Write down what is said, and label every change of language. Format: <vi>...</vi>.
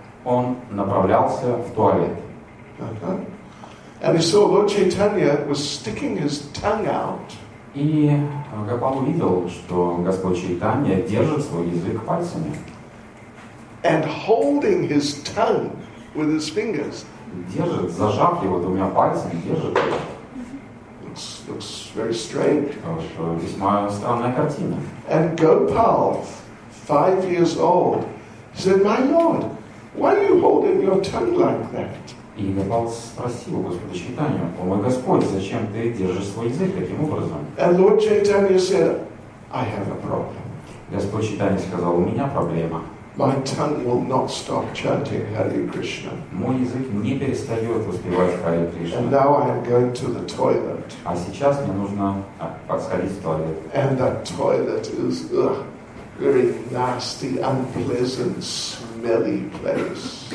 <ru>Он направлялся в туалет.</ru> <en>And he saw Lord Chaitanya was sticking his tongue out.</en> <ru>И Гопал увидел, что Господь Чайтанья держит свой язык пальцами.</ru> <en>And holding his tongue with his fingers.</en> <ru>Держит, зажав его двумя пальцами, держит.</ru> <en>Looks very strange.</en> <ru>Хорошо, весьма странная картина.</ru> <en>And Gopal, 5 years old, said, "My Lord, why are you holding your tongue like that?"</en> <ru>И Гопал спросил Господа Чайтанью, «О мой Господь, зачем ты держишь свой язык таким образом?»</ru> <en>And Lord Chaitanya said, "I have a problem."</en> <ru>Господь Чайтанья сказал, «У меня проблема».</ru> <en>My tongue will not stop chanting Hare Krishna.</en> <ru>Мой язык не перестает воспевать Харе Кришна.</ru> <en>And now I am going to the toilet.</en> <ru>А сейчас мне нужно подходить в туалет.</ru> <en>And that toilet is very nasty, unpleasant, smelly place.</en>